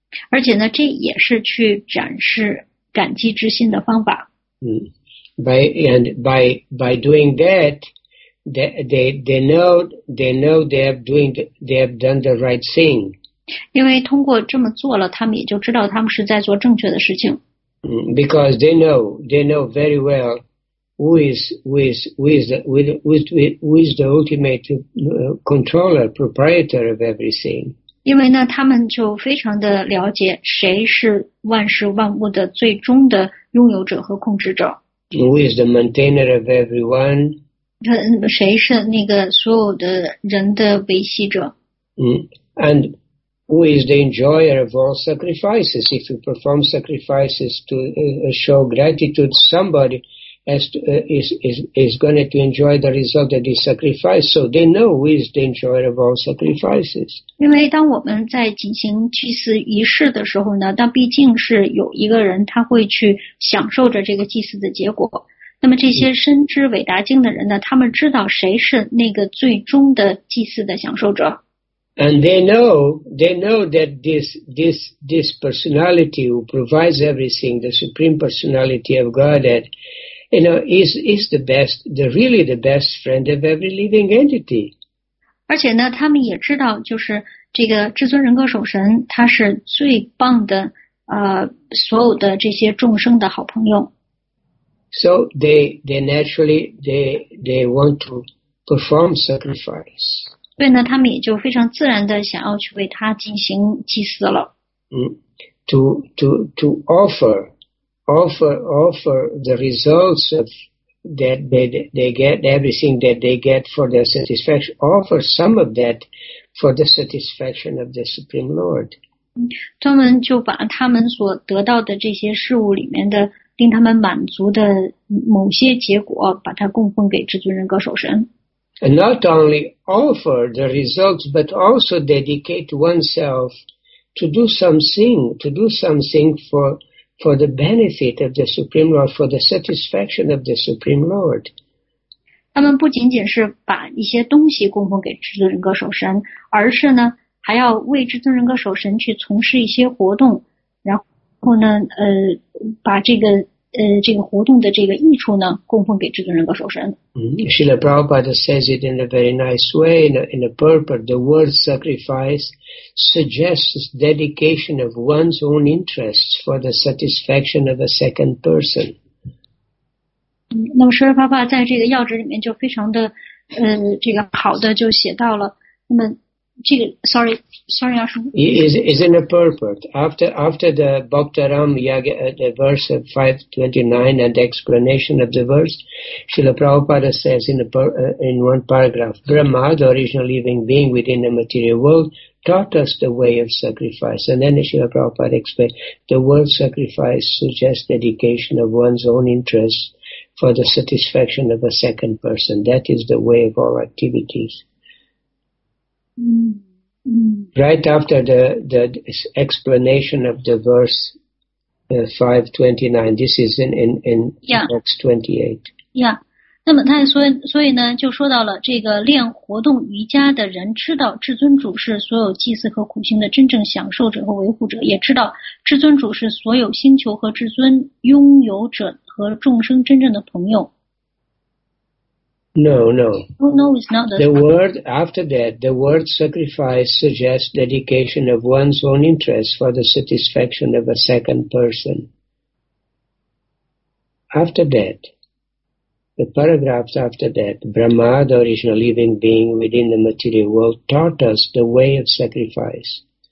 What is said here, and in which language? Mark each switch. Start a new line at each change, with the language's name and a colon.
Chinese: 而且呢，这也是去展示感激之心的方法。
English: By doing that, they know they have done the right thing.
Chinese: 因为通过这么做了，他们也就知道他们是在做正确的事情。
English: Because they know very well who is the ultimate controller, proprietor of everything.
Chinese: 因为呢，他们就非常的了解谁是万事万物的最终的拥有者和控制者。
English: Who is the maintainer of everyone?
Chinese: 谁是那个所有的人的维系者？
English: And who is the enjoyer of all sacrifices? If you perform sacrifices to show gratitude to somebody, is going to enjoy the result of this sacrifice. So they know who is the enjoyer of all sacrifices.
Chinese: 因为当我们在进行祭祀仪式的时候呢，那毕竟是有一个人他会去享受着这个祭祀的结果。那么这些深知伟大经的人呢，他们知道谁是那个最终的祭祀的享受者。
English: And they know that this personality who provides everything, the supreme personality of Godhead, you know, is the best, the really the best friend of every living entity.
Chinese: 而且呢，他们也知道，就是这个至尊人格守神，他是最棒的，所有的这些众生的好朋友。
English: So they naturally they want to perform sacrifice.
Chinese: 所以呢，他们也就非常自然的想要去为他进行祭祀了。
English: 嗯、to offer the results of that they get everything that they get for their satisfaction. Offer some of that for the satisfaction of the Supreme Lord.
Chinese: 他们就把他们所得到的这些事物里面的令他们满足的某些结果，把它供奉给至尊人格守神。
English: And not only offer the results, but also dedicate oneself to do something for the benefit of the Supreme Lord, for the satisfaction of the Supreme Lord.
Chinese: 他们不仅仅是把一些东西供奉给至尊人格守神，而是呢，还要为至尊人格守神去从事一些活动，然后呢，把这个活动的这个益处呢，供奉给至尊人格守神。
English: Srila Prabhupada says it in a very nice way, in a purport. The word sacrifice suggests dedication of one's own interests for the satisfaction of a second person.
Chinese: 那么Srila Prabhupada在这个要旨里面就非常的，这个好的就写到了，那么这个
English: sorry, is in a purport after the Bhaktaram Yaga, the verse of 529 and the explanation of the verse. Srila Prabhupada says in one paragraph, Brahma, the original living being within the material world, taught us the way of sacrifice. And then Srila Prabhupada explains, the word sacrifice suggests dedication of one's own interests for the satisfaction of a second person. That is the way of all activities. Right after the explanation of the verse 529, this is in yeah. Acts 28. Yeah.
Chinese: 那么他所以呢，就说到了这个练活动瑜伽的人知道至尊主是所有祭祀和苦行的真正享受者和维护者，也知道至尊主是所有星球和至尊拥有者和众生真正的朋友。
English: No. Oh, no, it's not the word. After that, the word sacrifice suggests dedication of one's own interests for the satisfaction of a second person. After that, the paragraphs after that, Brahma, the original living being within the material world, taught us the way of sacrifice.